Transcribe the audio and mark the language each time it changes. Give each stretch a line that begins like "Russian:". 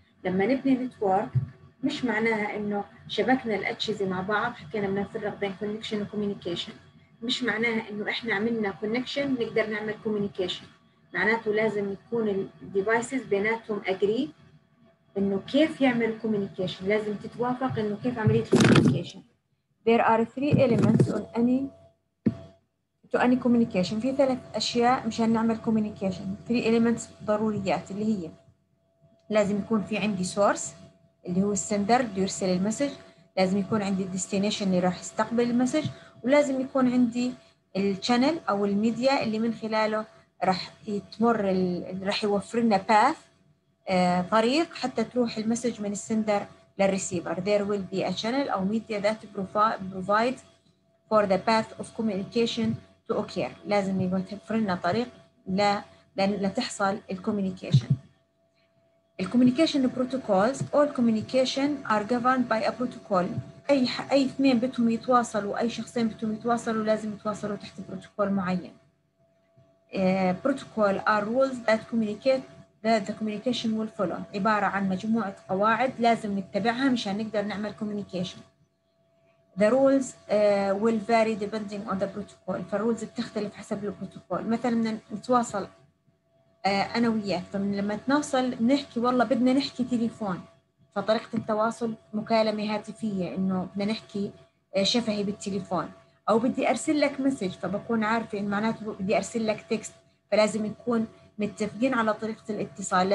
Arabic: لما نبني network مش معناها إنه شبكنا الأجهزة مع بعض، حكينا بنفرق بين connection و communication. مش معناها إنه إحنا عملنا connection نقدر نعمل communication. معناته لازم يكون ال devices بيناتهم agree إنه كيف يعمل communication. لازم تتوافق إنه كيف عملية communication.
English: There are three elements on any to any communication.
Arabic: في ثلاث أشياء مشان نعمل communication.
English: Three elements
Arabic: ضروريات اللي هي لازم يكون في عندي source اللي هو السندر اللي يرسل المسج، لازم يكون عندي destination اللي راح يستقبل المسج، ولازم يكون عندي الشانل أو الميديا اللي من خلاله راح يتمر راح يوفر لنا path طريق حتى تروح المسج من السندر للريسيفر.
English: There will be a channel أو media that provides for the path of communication.
Arabic: أوكير لازم يوفر لنا طريق لتحصل الكوميونيكيشن.
English: الكوميونيكيشن protocols all communication are governed by a protocol.
Arabic: اي اثنين بدهم يتواصلوا، اي شخصين بدهم يتواصلوا، لازم يتواصلوا تحت بروتوكول معين.
English: Protocol are rules that communicate that the communication will follow.
Arabic: عبارة عن مجموعة قواعد لازم نتبعها مشان نقدر نعمل communication.
English: The rules will vary depending on the protocol.
Arabic: فالرولز بتختلف حسب البروتوكول. مثلا نتواصل أنا وياك، فلما نتواصل نحكي والله بدنا نحكي تليفون، فطريقة التواصل مكالمة هاتفية إنه بدنا نحكي شفهي بالتليفون، أو بدي أرسل لك مسج فبكون عارفة إن معناته بدي أرسل لك تكست، فلازم يكون متفقين على طريقة الاتصال.